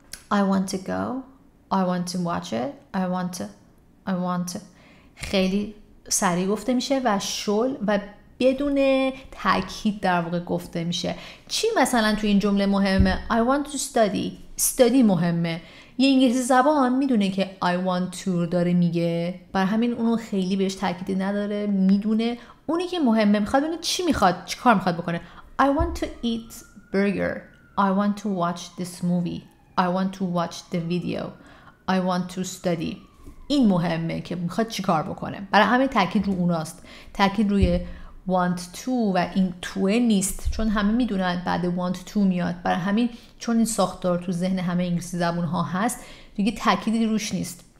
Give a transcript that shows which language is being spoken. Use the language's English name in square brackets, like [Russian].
[English] I want to go. I want to watch it. I want to [Persian] I want خیلی سریع گفته میشه و شل و بدون تاکید در واقع گفته میشه. چی مثلا تو این جمله مهمه؟ [English] I want to study. [Persian] Study مهمه. یه انگلیسی زبان میدونه که I want to داره میگه، بر همین اونو خیلی بهش تاکیدی نداره، میدونه اونی که مهمه میخواد بدونه چی میخواد، چی کار میخواد بکنه. [English] I want to eat burger. I want to watch this movie. I want to watch the video. I want to study. [Persian] این مهمه که میخواد چی کار بکنه. برای همه تاکید رو اوناست. تاکید روی want to و این to نیست. چون همه میدونن بعد want to میاد. برای همین چون این ساختار تو ذهن همه انگلیسی زبون ها هست، دیگه تاکیدی روش نیست.